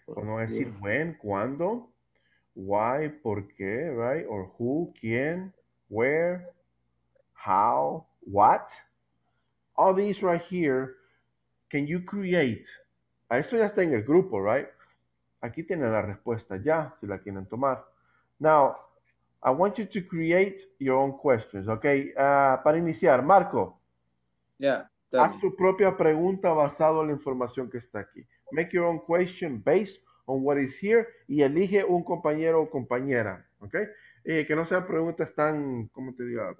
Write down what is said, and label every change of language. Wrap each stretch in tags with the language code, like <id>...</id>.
<es>Cuando van a decir, when, cuando, why, por qué, right?</es> <en>Or who, quién, where, how, what. All these right here, can you create?</en> <es>A esto ya está en el grupo, right? Aquí tienen la respuesta ya, si la quieren tomar.</es> <en>Now, I want you to create your own questions, okay?</en> <es>Para iniciar, Marco.</es> <en>Yeah.</en> <es>Haz tu propia pregunta basado en la información que está aquí.</es> <en>Make your own question based on what is here</en> <es>y elige un compañero o compañera,</es> <en>okay?</en> <es>Que no sean preguntas tan, ¿cómo te digo?</es>